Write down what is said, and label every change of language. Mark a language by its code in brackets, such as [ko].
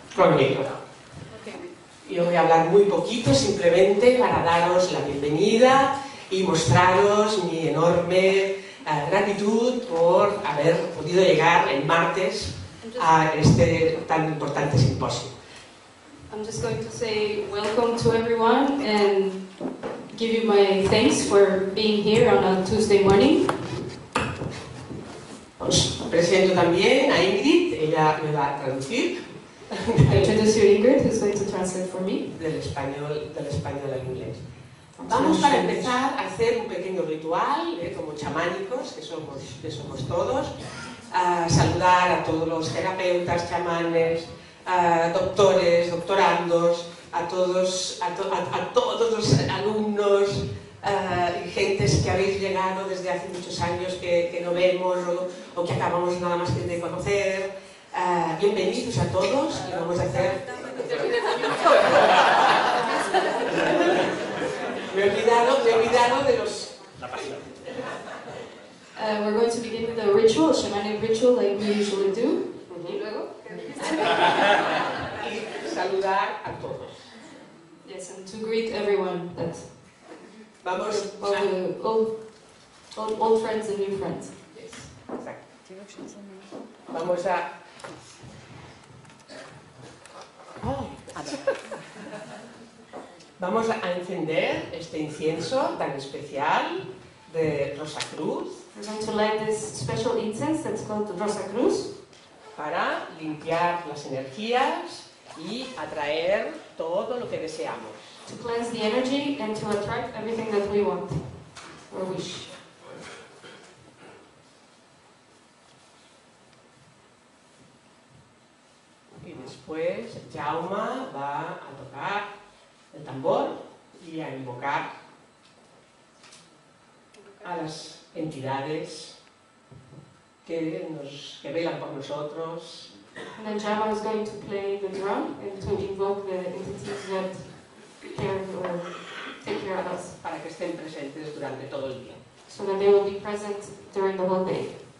[es] Con micro. Okay. Yo voy a hablar muy poquito, simplemente para daros la bienvenida y mostraros mi enorme gratitud por haber podido llegar el martes a este tan importante simposio. [en] I'm just going to say welcome to everyone and give you my thanks for being here on a Tuesday morning. [es] Os presento también a Ingrid, ella me va a traducir. [en] I introduce you Ingrid, who's going to translate for me. [es] Del español al inglés. Vamos para empezar a hacer un pequeño ritual, como chamánicos, que somos todos. Saludar a todos los terapeutas, chamanes, doctores, doctorandos, a todos los alumnos y gentes que habéis llegado desde hace muchos años que no vemos o que acabamos nada más que de conocer. Bienvenidos a todos y vamos a hacer... Me he olvidado de los... La pasión. [en] We're going to begin with a ritual, a shamanic ritual, like we usually do. [es] Mm-hmm. Y luego, y saludar a todos. [en] Yes, and to greet everyone. That's [es] vamos. [en] All friends and new friends. Yes, [es] exacto. Vamos a... Vamos a encender este incienso tan especial de Rosa Cruz. [en] We're going to light this special incense that's called Rosa Cruz. [es] Para limpiar las energías y atraer todo lo que deseamos. [en] To cleanse the energy and to attract everything that we want or wish. [es] Y después Jaume va a tocar el tambor y a invocar a las entidades que velan por nosotros. [en] And then Jaume is going to play the drum and to invoke the entities that take care of us. [es] Para que estén presentes durante todo el día. [en] So that they will be present during the whole day.